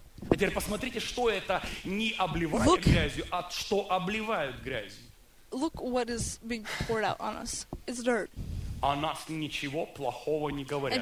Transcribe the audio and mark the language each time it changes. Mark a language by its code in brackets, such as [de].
[ru] А теперь посмотрите, что это не обливает грязью, а что обливают грязью. [en] Look what is being poured out on us. It's dirt. [ru] О нас ничего плохого не говорят.